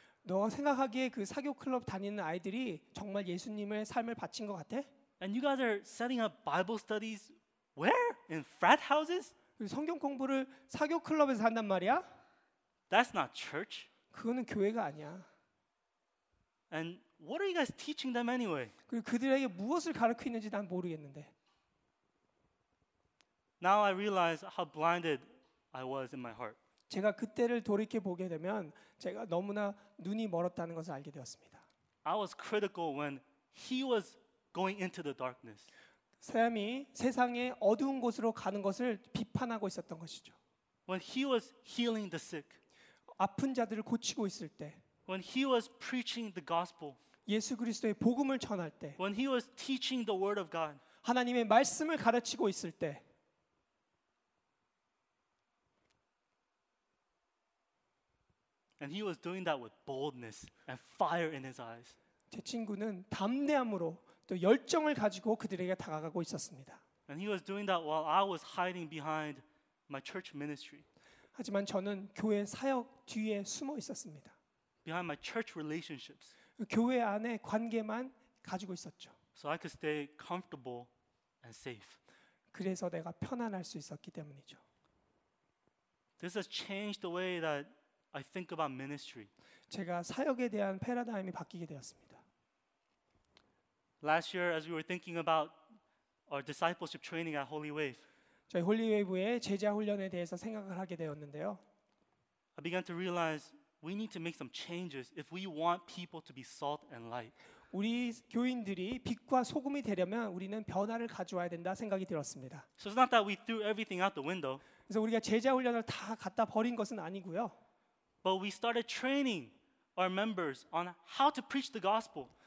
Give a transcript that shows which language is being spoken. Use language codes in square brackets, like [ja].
[ko] 너 생각하기에 그 사교 클럽 다니는 아이들이 정말 예수님의 삶을 바친 것 같아? [en] And you guys are setting up Bible studies where? In frat houses? [ko] 성경 공부를 사교 클럽에서 한단 말이야? [en] That's not church. [ko] 그거는 교회가 아니야. [en] And what are you guys teaching them anyway? [ko] 그리고 그들에게 무엇을 가르치고 있는지 난 모르겠는데. [en] Now I realize how blinded I was in my heart. [ko] 제가 그때를 돌이켜 보게 되면 제가 너무나 눈이 멀었다는 것을 알게 되었습니다. [en] I was critical when he was going into the darkness. [ko] 샘이 세상의 어두운 곳으로 가는 것을 비판하고 있었던 것이죠. [en] When he was healing the sick. [ko] 아픈 자들을 고치고 있을 때. [en] When he was preaching the gospel. [ko] 예수 그리스도의 복음을 전할 때. [en] When he was teaching the word of God. [ko] 하나님의 말씀을 가르치고 있을 때. [en] And he was doing that with boldness and fire in his eyes. [ko] 제 친구는 담대함으로 또 열정을 가지고 그들에게 다가가고 있었습니다. [en] And he was doing that while I was hiding behind my church ministry. [ko] 하지만 저는 교회 사역 뒤에 숨어 있었습니다. [en] Behind my church relationships. [ko] 교회 안에 관계만 가지고 있었죠. [en] So I could stay comfortable and safe. [ko] 그래서 내가 편안할 수 있었기 때문이죠. [en] This has changed the way that I think about ministry. [ko] 제가 사역에 대한 패러다임이 바뀌게 되었습니다. [en] Last year as we were thinking about our discipleship training at Holy Wave. [ko] 저희 홀리웨이브의 제자 훈련에 대해서 생각을 하게 되었는데요. [en] I began to realize we need to make some changes if we want people to be salt and light. [ko] 우리 교인들이 빛과 소금이 되려면 우리는 변화를 가져와야 된다 생각이 들었습니다. [en] So it's not that we threw everything out the window. [ko] 그래서 우리가 제자 훈련을 다 갖다 버린 것은 아니고요. [en] But we started training our members on how to preach the gospel.